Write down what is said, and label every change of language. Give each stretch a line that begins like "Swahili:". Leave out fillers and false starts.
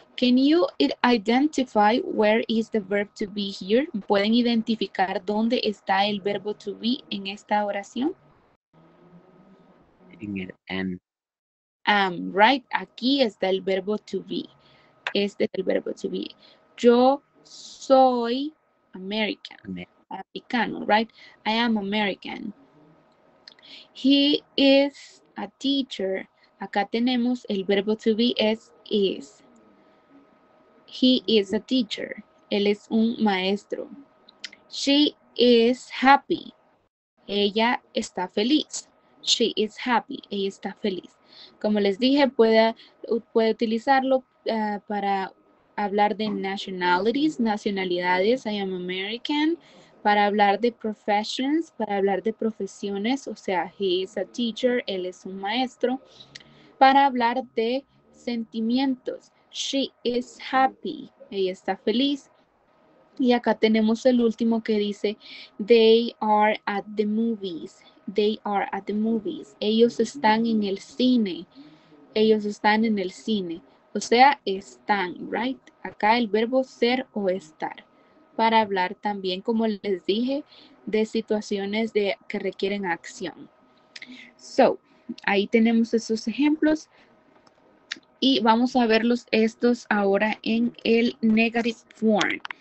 English: Can you identify where is the verb to be here?
Spanish: ¿Pueden identificar dónde está el verbo to be en esta oración? En el am. Right, aquí está el verbo to be. Este es el verbo to be. Yo soy American.
English: Americano, right? I am American. He is a teacher.
Spanish: Acá tenemos el verbo to be es is.
English: He is a teacher.
Spanish: Él es un maestro.
English: She is happy.
Spanish: Ella está feliz.
English: She is happy. Ella está feliz.
Spanish: Como les dije, puede utilizarlo para hablar de nationalities, nacionalidades.
English: I am American.
Spanish: Para hablar de professions, para hablar de profesiones, o sea,
English: he is a teacher,
Spanish: él es un maestro. Para hablar de sentimientos,
English: she is happy,
Spanish: ella está feliz. Y acá tenemos el último que dice,
English: they are at the movies, they are at the movies.
Spanish: Ellos están en el cine, ellos están en el cine. O sea, están, right? Acá el verbo ser o estar. Para hablar también, como les dije, de situaciones de, que requieren acción. So, ahí tenemos esos ejemplos. Y vamos a verlos estos ahora en el negative form.